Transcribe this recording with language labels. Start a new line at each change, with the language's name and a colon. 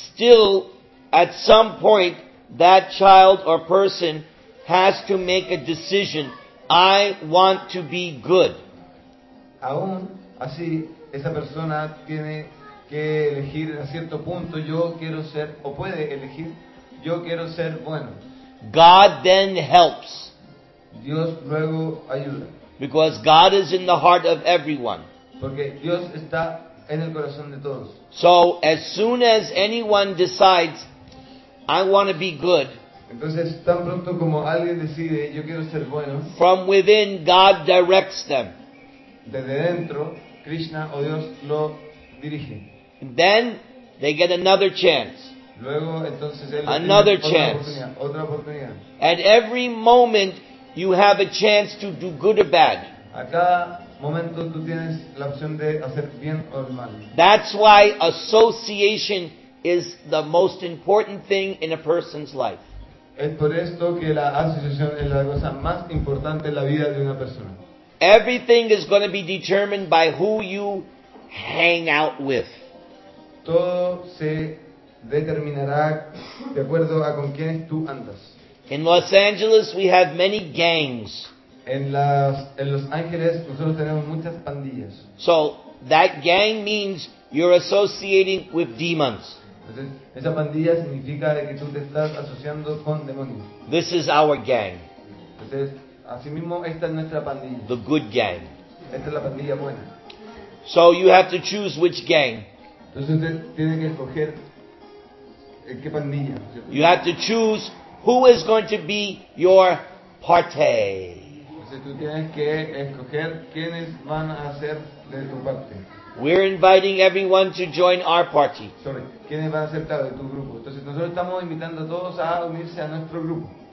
English: Still, at some point, that child or person has to make a decision. I want to be good.
Spanish: Aún así, esa persona tiene que elegir a cierto punto, yo quiero ser, o puede elegir, yo quiero ser bueno.
English: God then helps.
Spanish: Dios luego ayuda.
English: Because God is in the heart of everyone.
Spanish: Porque Dios está en el corazón de todos.
English: So, as soon as anyone decides, I want to be good,
Spanish: entonces, tan pronto como alguien decide, yo quiero ser bueno,
English: from within, God directs them.
Spanish: Desde dentro, Krishna o Dios lo dirige.
English: And then they get another chance.
Spanish: Luego, entonces, él
English: another chance.
Spanish: Otra oportunidad.
English: At every moment, you have a chance to do good or bad.
Spanish: A cada momento, tú tienes la opción de hacer bien o mal.
English: That's why association is the most important thing in a person's life.
Spanish: Es por esto que la asociación es la cosa más importante en la vida de una persona.
English: Everything is going to be determined by who you hang out with.
Spanish: Todo se determinará de acuerdo a con quiénes tú andas.
English: In Los Angeles, we have many gangs.
Spanish: En Los Ángeles, nosotros tenemos muchas pandillas.
English: So, that gang means you're associating with demons.
Spanish: Entonces, esa pandilla significa que tú te estás asociando con demonios.
English: This is our gang.
Spanish: Entonces, asimismo, esta es nuestra pandilla.
English: The good gang.
Spanish: Esta es la pandilla buena.
English: So you have to choose which gang.
Spanish: Entonces usted tiene que escoger en qué pandilla.
English: You have to choose who is going to be your party.
Spanish: Entonces tú tienes que escoger quiénes van a ser de tu parte.
English: We're inviting everyone to join our party.
Spanish: Sorry, ¿quiénes van a ser parte de tu grupo? Entonces nosotros estamos invitando a todos a unirse a nuestro grupo.